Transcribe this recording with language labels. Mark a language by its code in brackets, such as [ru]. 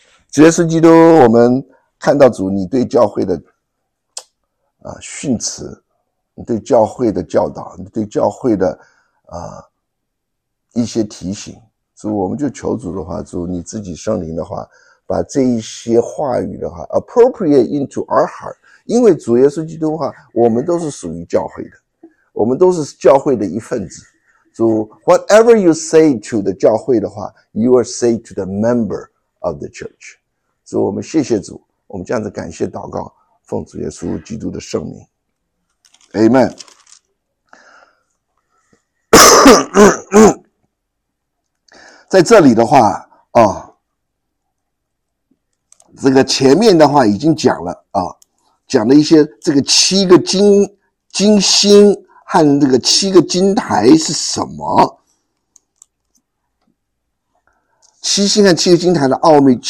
[zh] 主耶稣基督，我们看到主你对教会的训斥，你对教会的教导，你对教会的一些提醒。主，我们就求主的话，主你自己圣灵的话，把这一些话语的话 [en] appropriate into our heart。 [zh] 因为主耶稣基督的话，我们都是属于教会的，我们都是教会的一份子。 [en] 主， whatever you say to the [zh] 教会的话， [en] you are say to the member of the church。 [zh] 主，我们谢谢主，我们这样子感谢祷告，奉主耶稣基督的圣名， Amen。在这里的话这个前面的话已经讲了讲了一些这个七个金星和这个七个金台是什么，七星和七个金台的奥秘。